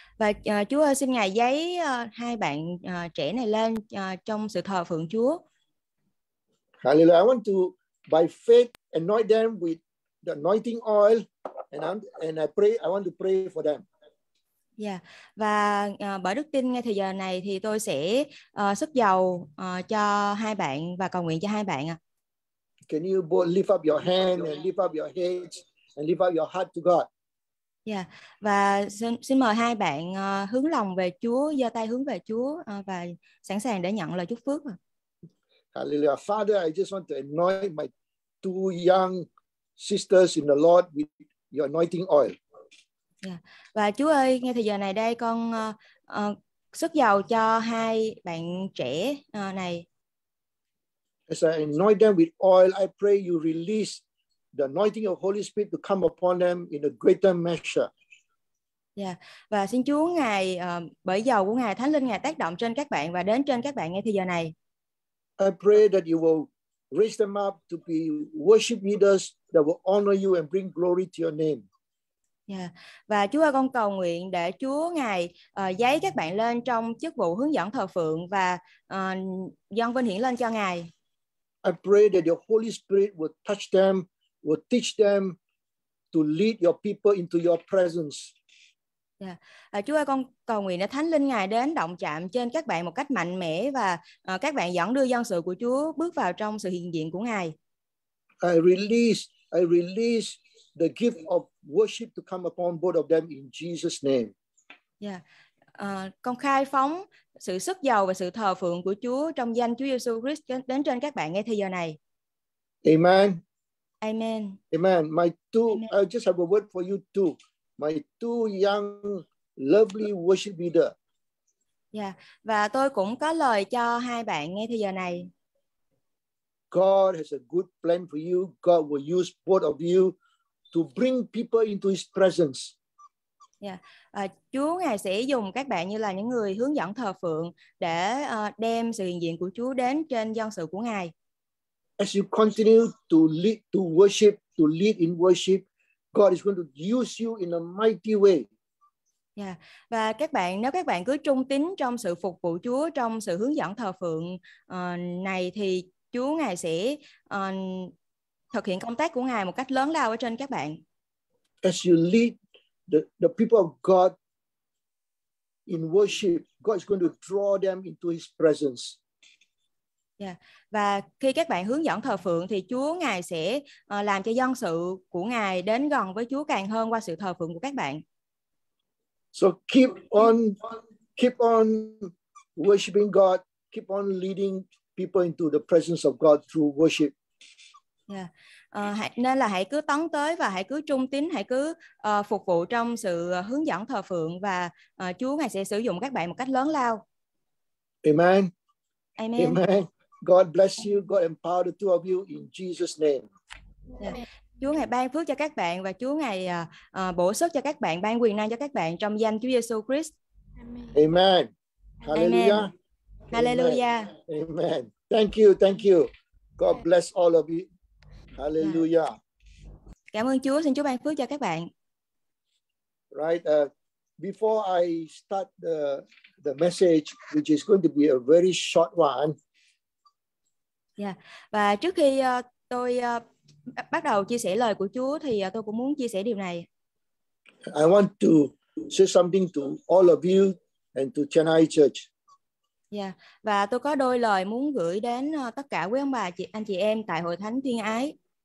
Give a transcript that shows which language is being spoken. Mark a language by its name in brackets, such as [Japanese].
[Vietnamese] Và Chúa ơi, xin ngài giấy hai bạn trẻ này lên trong sự thờ phượng Chúa. [English] Hallelujah. I want to by faith anoint them with the anointing oil and I want to pray for them. Yeah. [Vietnamese] Và bởi đức tin ngay thời giờ này thì tôi sẽ sức dầu cho hai bạn và cầu nguyện cho hai bạn ạ. [English] Can you both lift up your hand and lift up your head and lift up your heart to God? Yeah. [Vietnamese] Và xin mời hai bạn hướng lòng về Chúa, giơ tay hướng về Chúa và sẵn sàng để nhận lời chúc phước. [English] Hallelujah. Father, I just want to anoint my two young sisters in the Lord with your anointing oil. Yeah. [Vietnamese] Và Chúa ơi, ngay thời giờ này đây con sức dầu cho hai bạn trẻ này. [English] As I anoint them with oil, I pray you release the anointing of Holy Spirit to come upon them in a greater measure. [Vietnamese] Và xin Chúa Ngài, bởi dầu của Ngài Thánh Linh Ngài tác động trên các bạn và đến trên các bạn ngay thời giờ này. [English] I pray that you will raise them up to be worship leaders that will honor you and bring glory to your name. Yeah. [Vietnamese] Và Chúa ơi, con cầu nguyện để Chúa Ngài dấy các bạn lên trong chức vụ hướng dẫn thờ phượng và dâng vinh hiển lên cho Ngài. [English] I pray that your Holy Spirit will touch them, will teach them to lead your people into your presence. [Vietnamese] Chúa ơi, con cầu nguyện để Thánh Linh Ngài đến động chạm trên các bạn một cách mạnh mẽ và các bạn dẫn đưa dân sự của Chúa bước vào trong sự hiện diện của Ngài. [English] I release the gift of worship to come upon both of them in Jesus' name. [Vietnamese] Con khai phóng sự sức giàu và sự thờ phượng của Chúa trong danh Chúa Giêsu Christ đến trên các bạn ngay thời giờ này. [English] Amen. Amen. Amen. I just have a word for you too. My two young, lovely worship leader. Yeah. [Vietnamese] Và tôi cũng có lời cho hai bạn ngay thời giờ này. [English] God has a good plan for you. God will use both of you to bring people into His presence. [Vietnamese] Chúa Ngài sẽ dùng các bạn như là những người hướng dẫn thờ phượng để đem sự hiện diện của Chúa đến trên dân sự của Ngài. [English] As you continue to lead, to worship, to lead in worship, God is going to use you in a mighty way. Yeah. [Vietnamese] Và các bạn, nếu các bạn cứ trung tín trong sự phục vụ Chúa, trong sự hướng dẫn thờ phượng này, thì Chúa Ngài sẽ thực hiện công tác của Ngài một cách lớn lao ở trên các bạn. [English] As you lead the people of God in worship, God is going to draw them into His presence. Yeah. [Vietnamese] Và khi các bạn hướng dẫn thờ phượng thì Chúa Ngài sẽ làm cho dân sự của Ngài đến gần với Chúa càng hơn qua sự thờ phượng của các bạn. [English] So keep on worshiping God, keep on leading people into the presence of God through worship. [Vietnamese] Nên là hãy cứ tấn tới và hãy cứ trung tín, hãy cứ phục vụ trong sự hướng dẫn thờ phượng và Chúa Ngài sẽ sử dụng các bạn một cách lớn lao. [English] Amen. Amen. Amen. God bless you. God empower the two of you in Jesus' name. [Vietnamese] Chúa Ngài ban phước cho các bạn và Chúa Ngài bổ sức cho các bạn, ban quyền năng cho các bạn trong danh Chúa Giêsu Christ. [English] Amen. Hallelujah. Amen. Hallelujah. Amen. Thank you. Thank you. God bless all of you. Hallelujah. [Vietnamese] Cảm ơn Chúa. Xin Chúa ban phước cho các bạn. [English] Right. Before I start the message, which is going to be a very short one. [Vietnamese] Và trước khi tôi bắt đầu chia sẻ lời của Chúa thì tôi cũng muốn chia sẻ điều này. [English] I want to say something to all of you and to Chennai Church. [Vietnamese] Và tôi có đôi lời muốn gửi đến tất cả quý ông bà chị anh chị em tại Hội Thánh Thiên Ái.